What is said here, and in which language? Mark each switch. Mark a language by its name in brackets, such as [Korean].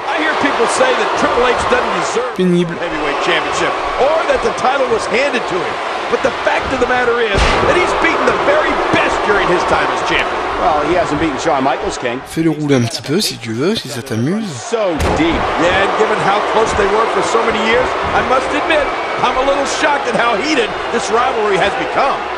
[English] I hear people say that Triple H doesn't deserve [French] pénible [English] the heavyweight championship or that the title was handed to him. But the fact of the matter is that he's beaten the very best during his time as champion. Well, he hasn't beaten Shawn Michaels, King. [French] Fais le rouler un petit peu si tu veux, si ça t'amuse. [English] So deep. Yeah, and given how close they were for so many years, I must admit, I'm a little shocked at how heated this rivalry has become.